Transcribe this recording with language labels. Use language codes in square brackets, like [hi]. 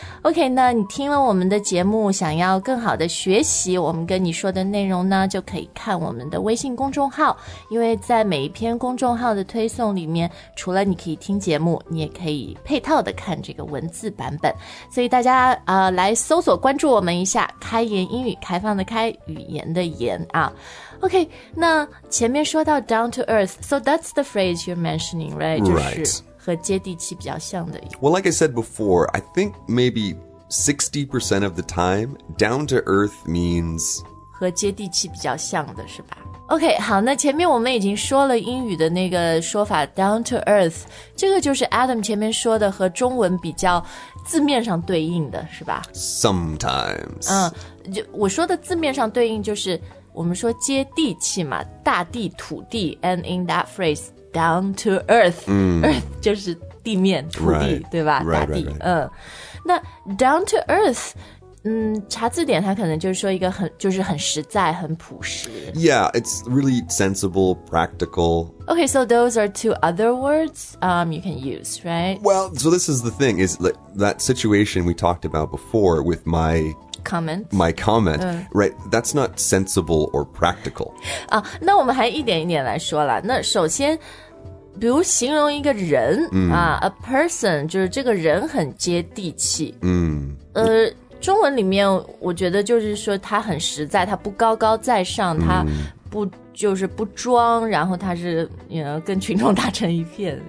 [zh] OK, 那你听了我们的节目想要更好的学习我们跟你说的内容呢就可以看我们的微信公众号。因为在每一篇公众号的推送里面除了你可以听节目你也可以配套的看这个文字版本。所以大家来搜索关注我们一下开言英语开放的开语言的言啊。 [en] OK, [zh] 那前面说到 [en] down to earth, so that's the phrase you're mentioning, right? Right. [zh] 就是和接地气比较像的。 [en] Well, like I said before, I think maybe 60% of the time, down to earth means... [zh] 和接地气比较像的是吧。 OK, 好，那前面我们已经说了英语的那个说法 down to earth, 这个就是 Adam 前面说的和中文比较字面上对应的是吧。 [en] Sometimes. [zh] 我说的字面上对应就是我们说接地气嘛，大地土地 ， [en] and in that phrase down to earth,、 [zh] earth 就是地面土地， [en] right. [zh] 对吧？ [en] Right, [zh] 大地， [en] right, right. [zh] 那 down to earth， 查字典它可能就是说一个很就是很实在很朴实。 [en] Yeah, it's really sensible, practical. Okay, so those are two other words you can use, right? Well, so this is the thing is that situation we talked about before with my. My comment, right, that's not sensible or practical. [zh] 那我们还一点一点来说了。那首先比如形容一个人、 [en] a person, [zh] 就是这个人很接地气。中文里面我觉得就是说他很实在他不高高在上他不就是不装然后他是 you know, 跟群众打成一片。